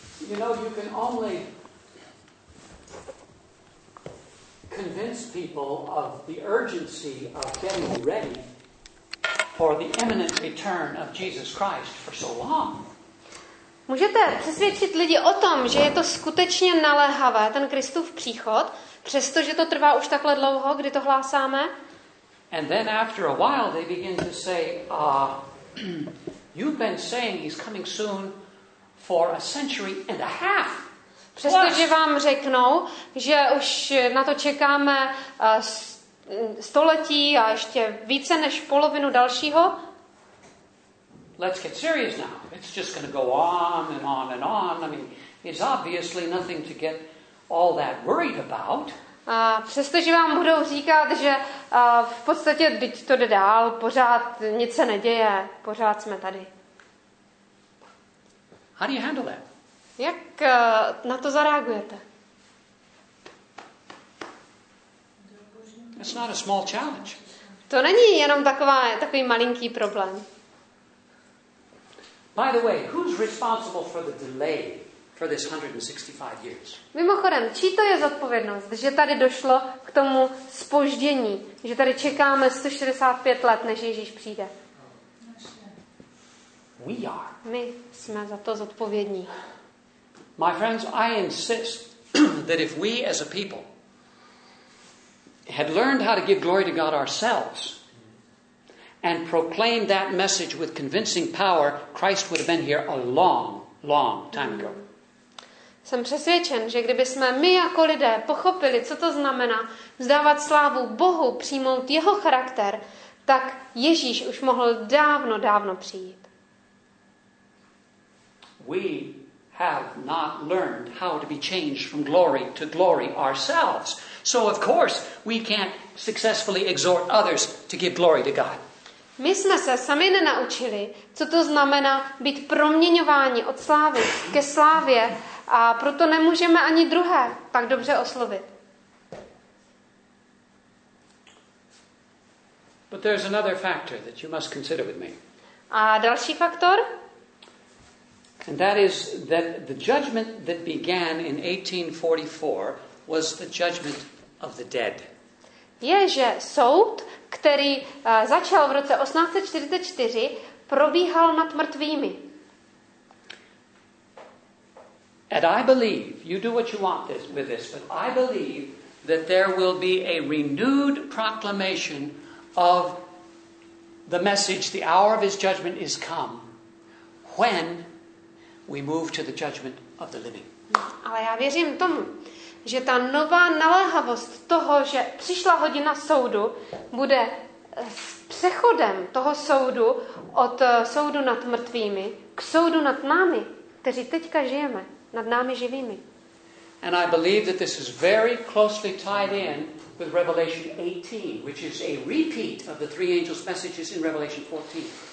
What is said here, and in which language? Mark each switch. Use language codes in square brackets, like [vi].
[en] You know, you can only convince people of the urgency of getting ready for the imminent return of Jesus Christ for so long. [cs] Můžete přesvědčit lidi o tom, že je to skutečně naléhavé, ten Kristův příchod, přestože to trvá už takhle dlouho, kdy to hlásáme? [en] And then after a while they begin to say, you've been saying he's coming soon. For a century and a half. [cs] Přestože vám řeknou, že už na to čekáme století a ještě více než polovinu dalšího. [en] Let's get serious now. It's just going to go on and on and on. I mean, it's obviously nothing to get all that worried about. [cs] A přestože vám budou říkat, že v podstatě teď to jde dál, pořád nic se neděje, pořád jsme tady. [en] How do you handle that? [cs] Jak na to zareagujete? [en] It's not a small challenge. [cs] To není jenom takový malinký problém. [en] By the way, who's responsible for the delay for this 165 years? [cs] Mimochodem, čí to je zodpovědnost, že tady došlo k tomu zpoždění, že tady čekáme 165 let, než Ježíš přijde? [en] We are. [cs] My jsme za to zodpovědní. [en] My friends, I insist that if we as a people had learned how to give glory to God ourselves and proclaim that message with convincing power, Christ would have been here a long, long time ago. [cs] Jsem přesvědčen, že kdyby jsme my jako lidé pochopili, co to znamená vzdávat slávu Bohu, přijmout jeho charakter, tak Ježíš už mohl dávno, dávno přijít. [en] We have not learned how to be changed from glory to glory ourselves. So of course we can't successfully exhort others to give glory to God. [cs] My jsme se sami nenaučili, co to znamená být proměňováni od slávy ke slávě, a proto nemůžeme ani druhé tak dobře oslovit. [en] But there's another factor that you must consider with me. [cs] A další faktor? [en] And that is that the judgment that began in 1844 was the judgment of the dead. [cs] Je, že soud, který začal v roce 1844, probíhal nad mrtvými. [en] And I believe, you do what you want this, with this, but I believe that there will be a renewed proclamation of the message, the hour of his judgment is come, when we move to the judgment of the living. [cs] Ale já věřím tomu, že ta nová naléhavost toho, že přišla hodina soudu, bude s přechodem toho soudu od soudu nad mrtvými k soudu nad námi, kteří teďka žijeme, nad námi živými. [en] And I believe that this is very closely tied in with Revelation 18, which is a repeat of the three angels' messages in Revelation 14.